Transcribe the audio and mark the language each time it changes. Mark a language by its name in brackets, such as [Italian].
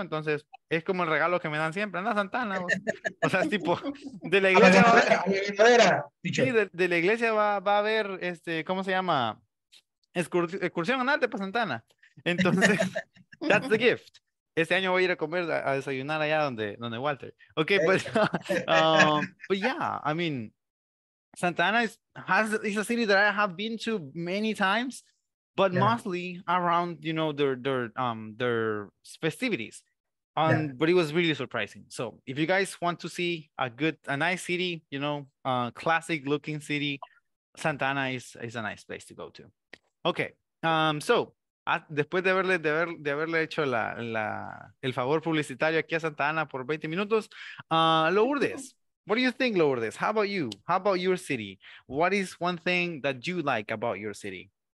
[Spanish] Entonces, es como el regalo que me dan siempre, anda a Santa Ana. O sea, es tipo, de la iglesia va a haber, ¿cómo se llama? Excursión, andate para Santa Ana. Entonces, [English] that's the gift. [Spanish] Este año voy a ir a comer, a desayunar allá donde Walter. Ok, pues, [English] but yeah, I mean, Santa Ana is a city that I have been to many times, but mostly around, you know, their festivities. But it was really surprising. So if you guys want to see a nice city, you know, a classic looking city, Santa Ana is a nice place to go to. Okay. [Spanish] Después de haberle hecho el favor publicitario aquí a Santa Ana por 20 minutos, Lourdes. [English] What do you think, Lourdes? How about you? How about your city? What is one thing that you like about your city?